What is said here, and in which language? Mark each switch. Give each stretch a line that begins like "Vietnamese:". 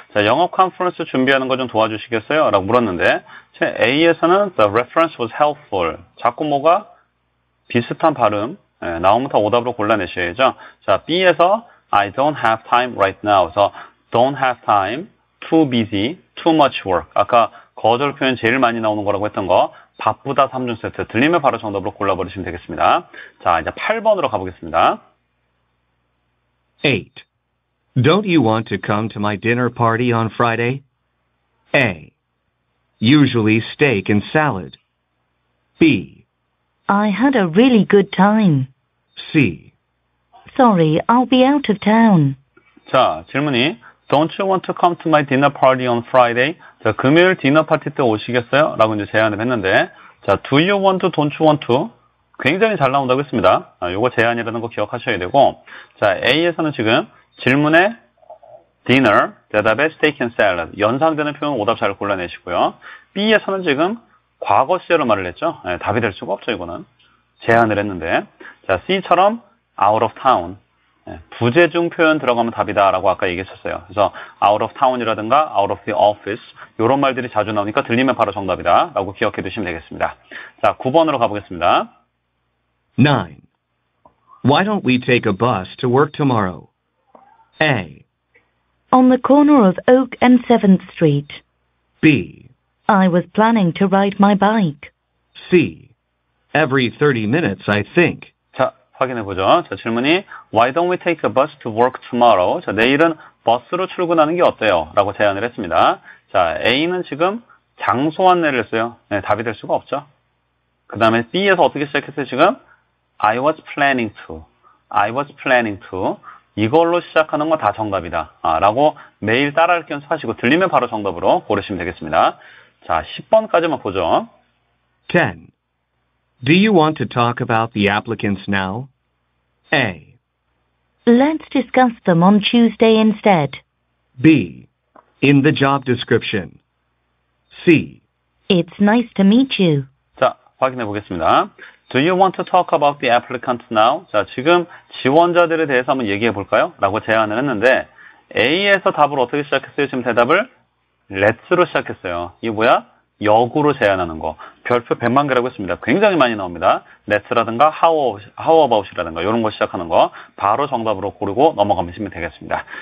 Korean: 자, 영업 컨퍼런스 준비하는 거 좀 도와주시겠어요? 라고 물었는데 제 A에서는
English: The reference was helpful.
Korean: 자꾸 뭐가 비슷한 발음 예, 나오면 오답으로 골라내셔야죠. 자, B에서
English: I don't have time right now.
Korean: 그래서 don't have time, too busy, too much work. 아까 거절 표현 제일 많이 나오는 거라고 했던 거 바쁘다 3중 세트 들리면 바로 정답으로 골라버리시면 되겠습니다. 자, 이제 8번으로 가보겠습니다.
English: 8. Don't you want to come to my dinner party on Friday? A. Usually steak and salad. B. I had a really good time. C. Sorry, I'll be out of town.
Korean: 자, 질문이
English: Don't you want to come to my dinner party on Friday?
Korean: 자, 금요일 디너 파티 때 오시겠어요? 라고 이제 제안을 했는데 자,
English: Do you want to, don't you want to?
Korean: 굉장히 잘 나온다고 했습니다. 아, 요거 제안이라는 거 기억하셔야 되고 자, A에서는 지금 질문에 dinner, 대답에 steak and salad, 연상되는 표현 오답 잘 골라내시고요. B에서는 지금 과거 시제로 말을 했죠. 네, 답이 될 수가 없죠, 이거는. 제안을 했는데. 자, C처럼 out of town, 네, 부재중 표현 들어가면 답이다라고 아까 얘기했었어요. 그래서 out of town이라든가 out of the office, 이런 말들이 자주 나오니까 들리면 바로 정답이다라고 기억해 두시면 되겠습니다. 자, 9번으로 가보겠습니다.
English: 9. Why don't we take a bus to work tomorrow? A. On the corner of Oak and 7th Street. B. I was planning to ride my bike. C. Every 30 minutes, I think.
Korean: 자, 확인해보죠. 자, 질문이
English: Why don't we take a bus to work tomorrow?
Korean: 자, 내일은 버스로 출근하는 게 어때요? 라고 제안을 했습니다. 자, A는 지금 장소 안내를 했어요. 네, 답이 될 수가 없죠. 그 다음에 B에서 어떻게 시작했어요, 지금?
English: I was planning to. I was planning to.
Korean: 이걸로 시작하는 거 다 정답이다. 아, 라고 매일 따라할게 연습하시고 들리면 바로 정답으로 고르시면 되겠습니다. 자, 10번까지만 보죠.
English: 10. Do you want to talk about the applicants now? A. Let's discuss them on Tuesday instead. B. In the job description. C. It's nice to meet you.
Korean: 자, 확인해 보겠습니다.
English: Do you want to talk about the applicants now?
Korean: 자, 지금 지원자들에 대해서 한번 얘기해 볼까요? 라고 제안을 했는데 A에서 답을 어떻게 시작했어요? 지금 대답을 Let's로 시작했어요. 이게 뭐야? 역으로 제안하는 거. 별표 100만 개라고 했습니다. 굉장히 많이 나옵니다. Let's라든가 how about이라든가 이런 거 시작하는 거 바로 정답으로 고르고 넘어가시면 되겠습니다.